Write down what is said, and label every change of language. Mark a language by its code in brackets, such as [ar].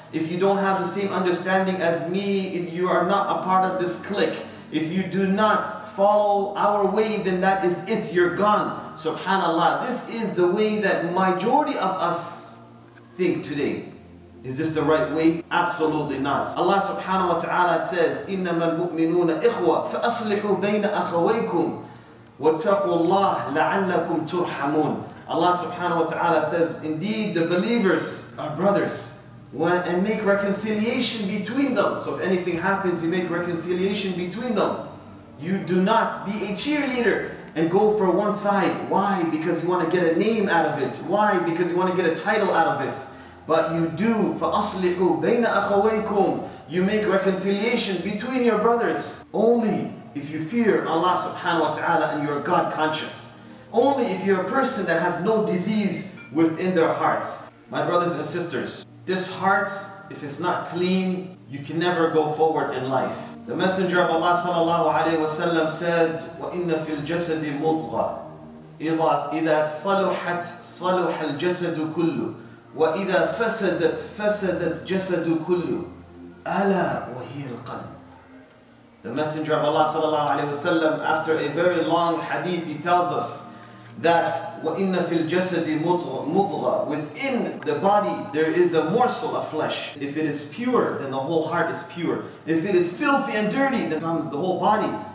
[en] If you don't have the same understanding as me, if you are not a part of this clique, if you do not follow our way, then that is it, you're gone. SubhanAllah, this is the way that majority of us think today. Is this the right way? Absolutely not. Allah subhanahu wa ta'ala says, [ar] إِنَّمَا الْمُؤْمِنُونَ إِخْوَةٌ فَأَصْلِحُوا بَيْنَ أَخَوَيْكُمْ وَاتَّقُوا اللَّهَ لَعَلَّكُمْ تُرْحَمُونَ. [en] Allah subhanahu wa ta'ala says, indeed the believers are brothers, and make reconciliation between them. So if anything happens, you make reconciliation between them. You do not be a cheerleader and go for one side. Why? Because you want to get a name out of it. Why? Because you want to get a title out of it. But you do, [ar] فَأَصْلِحُوا بَيْنَ أَخَوَيْكُمْ. [en] You make reconciliation between your brothers only if you fear Allah subhanahu wa ta'ala and you're God conscious. Only if you're a person that has no disease within their hearts. My brothers and sisters, this heart, if it's not clean, you can never go forward in life. The Messenger of Allah sallallahu alayhi wa sallam said, [ar] وَإِنَّ فِي الْجَسَدِ مُضْغَةٍ إِذَا صَلُحَتْ صَلُحَ الْجَسَدُ كُلُّ وَإِذَا فَسَدَتْ فَسَدَتْ جَسَدُ كُلُّ أَلَا وَهِيَ الْقَلْبُ. [en] The Messenger of Allah sallallahu alayhi wa sallam, after a very long hadith, he tells us that [ar] وَإِنَّ فِي الْجَسَدِ مُضْغَةٍ. [en] Within the body there is a morsel of flesh. If it is pure, then the whole heart is pure. If it is filthy and dirty, then comes the whole body.